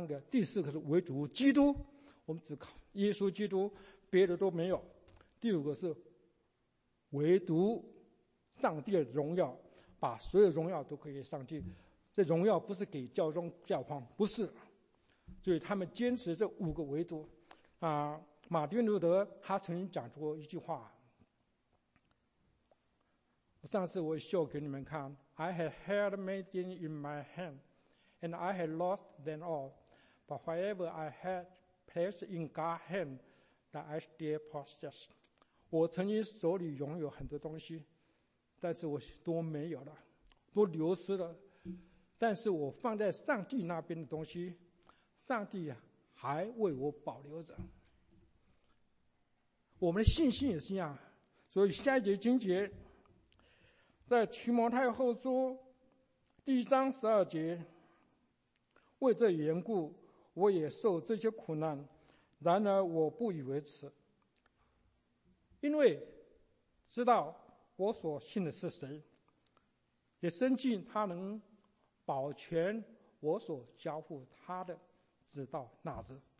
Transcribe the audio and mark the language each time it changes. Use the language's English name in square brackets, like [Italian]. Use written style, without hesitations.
[Chinese] 第四个是唯独基督，我们只靠耶稣基督，别的都没有。第五个是唯独上帝的荣耀，把所有荣耀都可以给上帝。这荣耀不是给教宗教皇，不是。所以他们坚持这5个唯独。啊，马丁路德他曾经讲过一句话，上次我秀给你们看， [English] I had held many things in my hand, and I had lost them all, but whatever I had placed in God's hand, that I still possess. [Chinese] 我曾经手里拥有很多东西，但是我都没有了，都流失了，但是我放在上帝那边的东西，上帝还为我保留着。我们的信心也是一样。所以下一节经节在提摩太后书1:12，为这缘故我也受这些苦难，然而我不以为耻，因为知道我所信的是谁，也深信他能保全我所交付他的直到那日。